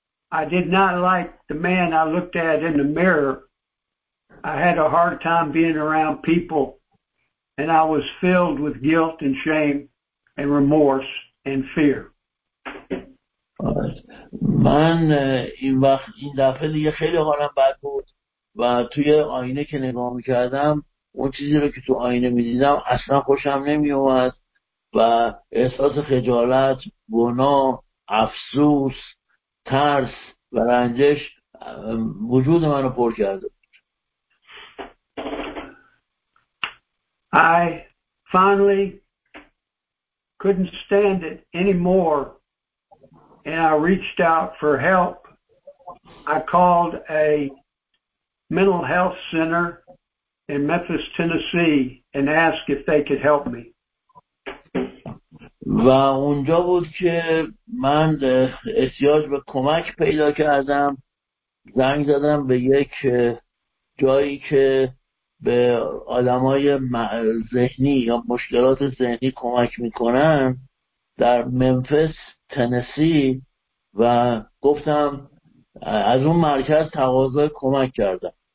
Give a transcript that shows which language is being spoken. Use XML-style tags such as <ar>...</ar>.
<en>I did not like the man I looked at in the mirror. I had a hard time being around people, and I was filled with guilt and shame and remorse and fear.</en> <fa>من این وقت این دفعه دیگه خیلی حالم بد بود و توی آینه که نگاه می‌کردم اون چیزی رو که تو آینه می‌دیدم اصلا خوشم نمی‌اومد و احساس خجالت، گناه، افسوس، ترس و رنجش وجود منو پر کرده بود.</fa> <en>I finally couldn't stand it anymore and I reached out for help. I called a mental health center in Memphis, Tennessee and asked if they could help me.</en> <fa>و اونجا بود که من احتیاج به کمک پیدا کردم. زنگ زدم به یک جایی که به آدمای ذهنی یا مشکلات ذهنی کمک میکنن در ممفیس تنسی و گفتم از اون مرکز تقاضا کمک کردم.</fa>